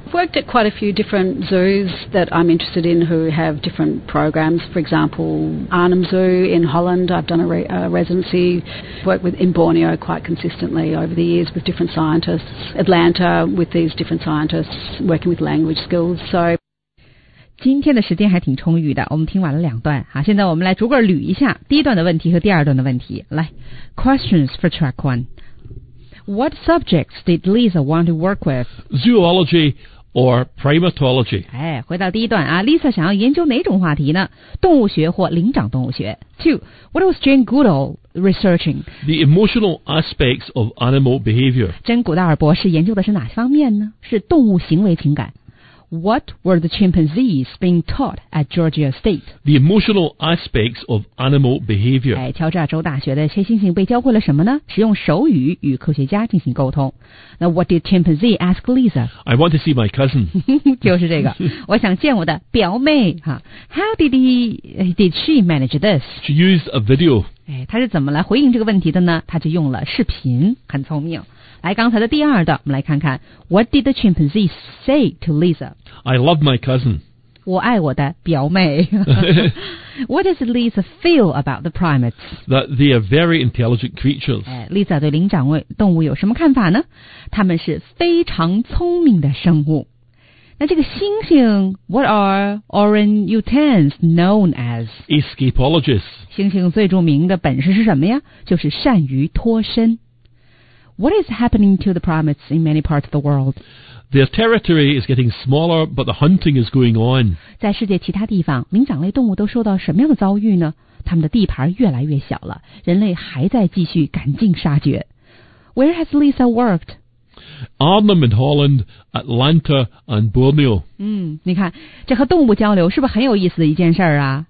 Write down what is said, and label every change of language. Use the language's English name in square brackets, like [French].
[English] I've worked at quite a few different zoos that I'm interested in who have different programs. For example, Arnhem Zoo in Holland, I've done a residency. Worked with in Borneo quite consistently over the years with different scientists. Atlanta with these different scientists working with language skills. So [Chinese] 今天的时间还挺充裕的，我们听完了两段，好，现在我们来逐个捋一下第一段的问题和第二段的问题。 [English] 来 ，Questions for track one. What subjects did Lisa want to work with? Zoology or primatology? [Chinese] 哎，回到第一段啊 ，Lisa 想要研究哪种话题呢？动物学或灵长动物学。 [English] Two. What was Jane Goodall researching? The emotional aspects of animal behavior. [Chinese] 珍·古道尔博士研究的是哪方面呢？是动物行为情感。 [English] What were the chimpanzees being taught at Georgia State? The emotional aspects of animal behavior. [Chinese] 哎，乔治亚州大学的黑猩猩被教会了什么呢？使用手语与科学家进行沟通。那 [English] what did chimpanzee ask Lisa? I want to see my cousin. [Chinese] 就是这个，我想见我的表妹哈。 [English] How did she manage this? She used a video. [Chinese] 哎，她是怎么来回应这个问题的呢？她就用了视频，很聪明。来，刚才的第二段，我们来看看 [English] What did the chimpanzee say to Lisa? [Chinese] I love my cousin. 我爱我的表妹。 [English] What does Lisa feel about the primates? That they are very intelligent creatures. [Chinese] 哎， Lisa 对灵长类动物有什么看法呢？他们是非常聪明的生物。那这个猩猩 [English] What are orangutans known as? Escapologists. [Chinese] 猩猩最著名的本事是什么呀？就是善于脱身。 [English] What is happening to the primates in many parts of the world? Their territory is getting smaller, but the hunting is going on. [Chinese] 在世界其他地方，灵长类动物都受到什么样的遭遇呢？他们的地盘越来越小了，人类还在继续赶尽杀绝。 [English] Where has Lisa worked? Arnhem in Holland, Atlanta and Borneo. [Chinese] 你看，这和动物交流是不是很有意思的一件事儿啊？